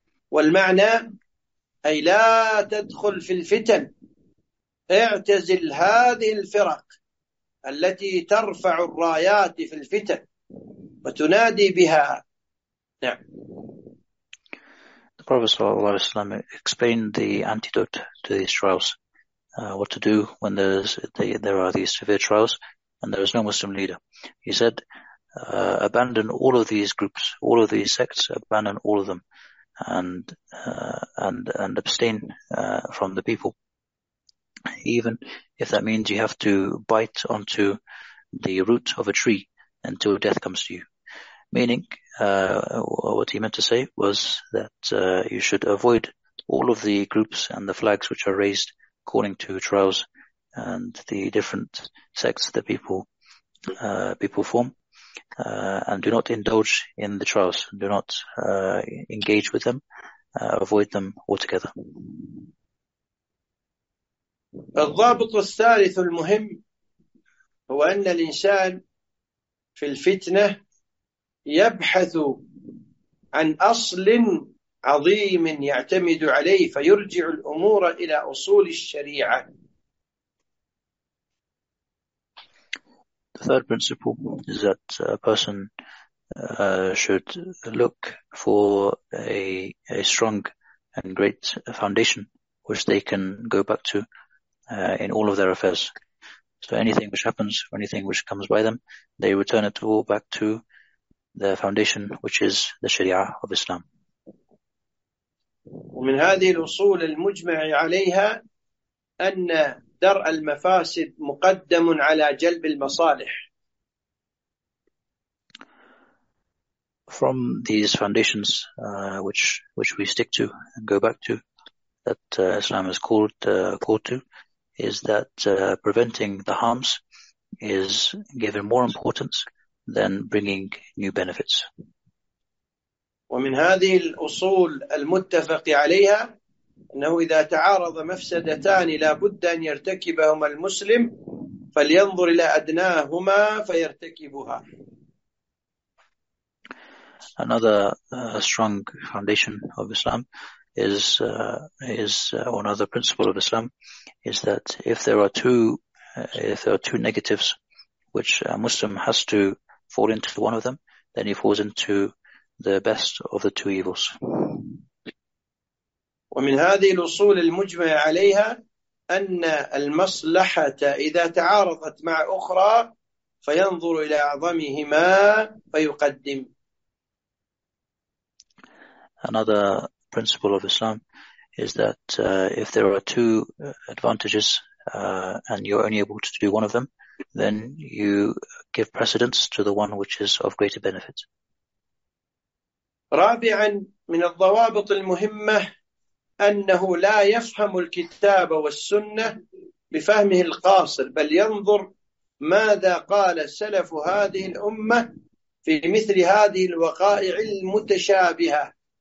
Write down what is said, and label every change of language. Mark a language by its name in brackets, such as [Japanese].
[Arabic] والمعنى أي لا تدخل في الفتن، اعتزل هذه الفرق التي ترفع الرايات في الفتن وتنادي بها. نعم. [English] The Prophet sallallahu alaihi wasallam explained the antidote to these trials, what to do when there are these severe trials and there is no Muslim leader. He said, abandon all of these groups, all of these sects, abandon all of them, and abstain from the people, even if that means you have to bite onto the root of a tree until death comes to you. Meaning, what he meant to say was that you should avoid all of the groups and the flags which are raised according to trials and the different sects that people form, and do not indulge in the trials, do not engage with them, avoid them altogether. [Arabic] الضابط الثالث المهم هو أن الإنسان في الفتنة يبحث عن أصل عظيم يعتمد عليه فيرجع الأمور إلى أصول الشريعة. [English] The third principle is that a person should look for a strong and great foundation which they can go back to in all of their affairs. So anything which happens, or anything which comes by them, they return it all back to their foundation, which is the Sharia of Islam. [Arabic] ومن هذه الأصول المجمع عليها أن درء المفاسد مقدم على جلب المصالح. [English] From these foundations, which we stick to and go back to, that Islam is called to, is that preventing the harms is given more importance than bringing new benefits. [Arabic] ومن هذه الأصول المتفق عليها أنه إذا تعارض مفسدتان لا بد أن يرتكبهما المسلم فلينظر إلى أدناهما فيرتكبها. [English] Another strong foundation of Islam is another principle of Islam is that if there are two negatives which a Muslim has to fall into one of them, then he falls into the best of the two evils. [Arabic] ومن هذه الأصول المجمع عليها أن المصلحة إذا تعارضت مع أخرى فينظر إلى أعظمهما فيقدم. [English] Another principle of Islam is that if there are two advantages and you're only able to do one of them, then you give precedence to the one which is of greater benefit. [Arabic] رابعا من الضوابط المهمة أنه لا يفهم الكتاب والسنة بفهمه القاصر بل ينظر ماذا قال سلف هذه الأمة في مثل هذه الوقائع المتشابهة.